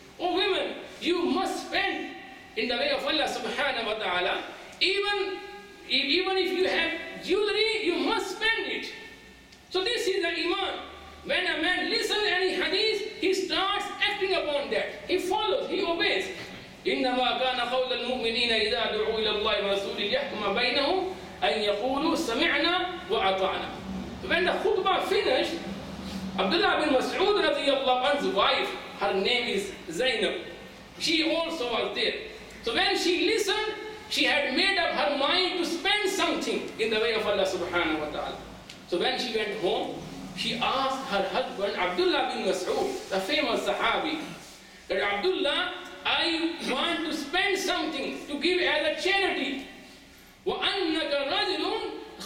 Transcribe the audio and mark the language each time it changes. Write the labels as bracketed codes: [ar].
[en] O women, you must spend in the way of Allah subhanahu wa ta'ala. Even if you have jewelry, you must spend it. So this is the iman. When a man listens any hadith, he starts acting upon that. He follows, he obeys. [ar] إنما كان قول المؤمنين إذا دعوا إلى الله ورسوله ليحكم بينهم أن يقولوا سمعنا وأطعنا. [en] When the khutbah finished, Abdullah bin Mas'ud radiallahu anhu's wife, her name is Zainab, she also was there. So when she listened, she had made up her mind to spend something in the way of Allah subhanahu wa ta'ala. So when she went home, she asked her husband Abdullah bin Mas'ud, the famous Sahabi, that Abdullah, I want to spend something to give as a charity. [ar] وَأَنَّكَ رَجْلٌ